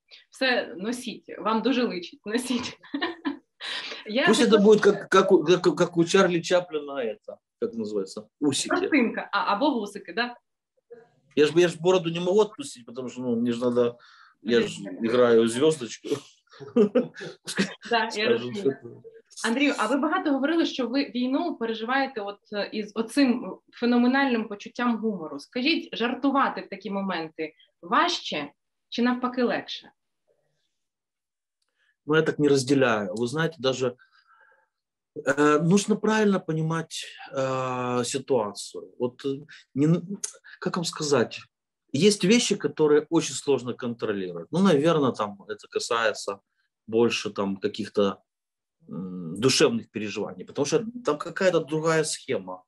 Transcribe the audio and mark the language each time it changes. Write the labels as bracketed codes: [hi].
[uk] Все носите, вам дуже личить, носите. [ru] Я пусть это будет как у Чарли Чаплина это, как называется, усики. Простынка, або усики, да? Я ж бороду не могу отпустить, потому что, ну, мне же надо, я же играю звездочку. [uk] Да, я розумію. Андрію, а ви багато говорили, що ви війну переживаєте от із оцим феноменальним почуттям гумору. Скажіть, жартувати в такі моменти важче чи навпаки легше? Ну, я так не розділяю. Ви знаєте, [ru] нужно правильно понимать ситуацию. Вот не, как вам сказать, есть вещи, которые очень сложно контролировать. Ну, наверное, там это касается больше там каких-то душевных переживаний, потому что там какая-то другая схема.